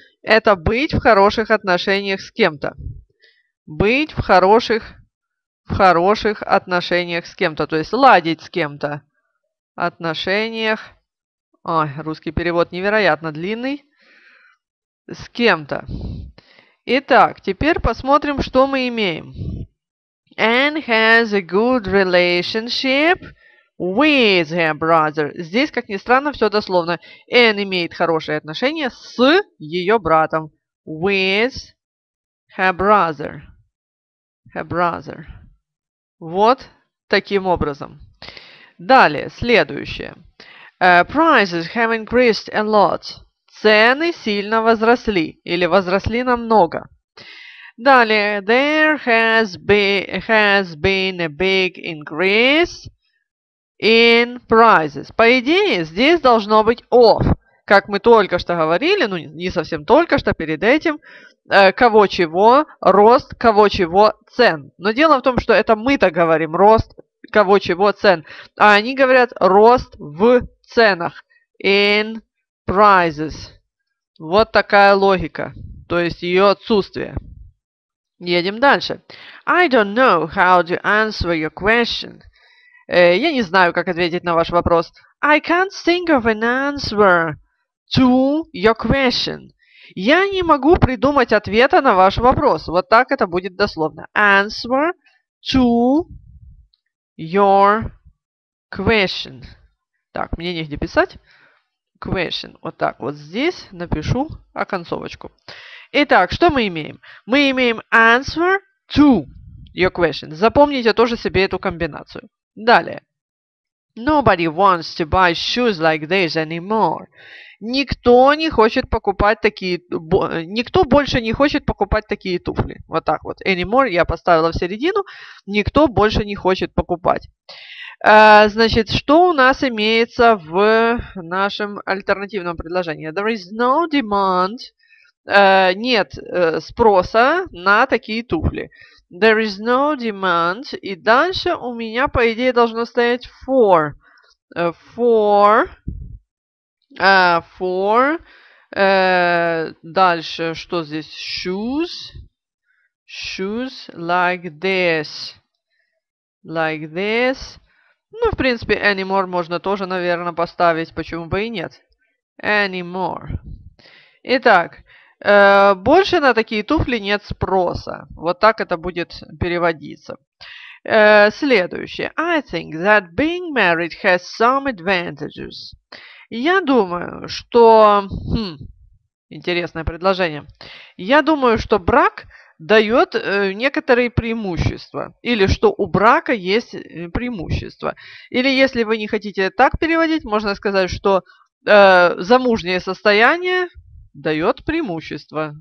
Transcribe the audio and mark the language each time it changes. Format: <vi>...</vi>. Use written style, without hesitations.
<ru>Это быть в хороших отношениях с кем-то. Быть в хороших отношениях с кем-то. То есть ладить с кем-то. Отношениях. Ой, русский перевод невероятно длинный. С кем-то. Итак, теперь посмотрим, что мы имеем.</ru> <en>Anne has a good relationship with her brother.</en> <ru>Здесь, как ни странно, все дословно. Anne имеет хорошие отношения с ее братом.</ru> <en>With her brother. Her brother.</en> <ru>Вот таким образом. Далее, следующее.</ru> <en>Prices have increased a lot.</en> <ru>Цены сильно возросли. Или возросли намного. Далее.</ru> <en>There has been a big increase in prices.</en> <ru>По идее, здесь должно быть</ru> <en>of.</en> <ru>Как мы только что говорили, ну не совсем только что, перед этим. Кого-чего, рост, кого-чего, цен. Но дело в том, что это мы-то говорим, рост, кого-чего, цен. А они говорят, рост в ценах.</ru> <en>In prices.</en> <ru>Вот такая логика. То есть ее отсутствие. Едем дальше.</ru> <en>I don't know how to answer your question.</en> <ru>Я не знаю, как ответить на ваш вопрос.</ru> <en>I can't think of an answer to your question.</en> <ru>Я не могу придумать ответа на ваш вопрос. Вот так это будет дословно.</ru> <en>Answer to your question.</en> <ru>Так, мне негде писать. Question. Вот так вот здесь напишу оконцовочку. Итак, что мы имеем? Мы имеем</ru> <en>answer to your question.</en> <ru>Запомните тоже себе эту комбинацию. Далее.</ru> <en>Nobody wants to buy shoes like this anymore.</en> <ru>Никто не хочет покупать такие... Никто больше не хочет покупать такие туфли. Вот так вот. Anymore я поставила в середину. Никто больше не хочет покупать. Значит, что у нас имеется в нашем альтернативном предложении?</ru> <en>There is no demand.</en> <ru>Нет спроса на такие туфли.</ru> <en>There is no demand.</en> <ru>И дальше у меня, по идее, должно стоять for. Дальше, что здесь? Shoes.</ru> <en>Shoes like this. Like this.</en> <ru>Ну, в принципе, anymore можно тоже, наверное, поставить, почему бы и нет.</ru> <en>Anymore.</en> <ru>Итак, больше на такие туфли нет спроса. Вот так это будет переводиться. Следующее.</ru> <en>I think that being married has some advantages.</en> <ru>Я думаю, что... интересное предложение. Я думаю, что брак дает некоторые преимущества. Или что у брака есть преимущества. Или если вы не хотите так переводить, можно сказать, что замужнее состояние дает преимущество.</ru>